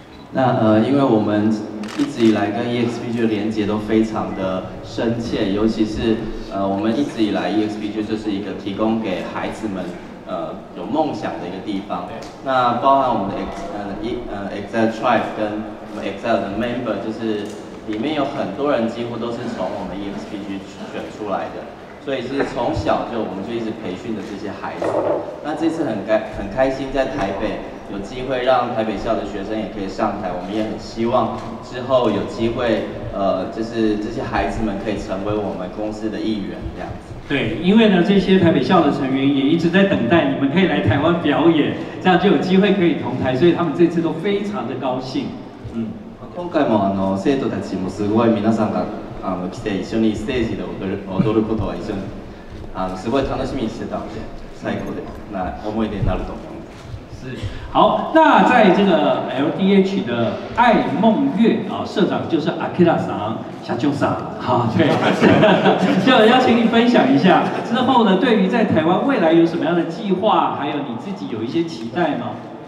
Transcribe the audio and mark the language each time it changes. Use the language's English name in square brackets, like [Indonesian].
[Chinese] 那因为我们一直以来跟 EXPG 的连结都非常的深切，尤其是我们一直以来 EXPG 就是一个提供给孩子们有梦想的一个地方。那包含我们的 EXILE Tribe 跟我们 EXILE 的 Member， 就是里面有很多人几乎都是从我们 EXPG 选出来的，所以是从小就我们就一直培训的这些孩子。那这次很开心在台北。有机会让台北校的学生也可以上台，我们也很希望之后有机会，就是这些孩子们可以成为我们公司的一员，这样子。对，因为呢，这些台北校的成员也一直在等待你们可以来台湾表演，这样就有机会可以同台，所以他们这次都非常的高兴。 [Japanese] 嗯，今回も生徒たちもすごい皆さんが来て一緒にステージで踊ることは一緒にすごい楽しみにしてたので、最高でな思い出になると思います。 [Chinese] 是好，那在这个 LDH 的爱梦月啊，社长就是 Akira 桑、夏秋桑，好，对，就要请你分享一下之后呢，对于在台湾未来有什么样的计划，还有你自己有一些期待吗？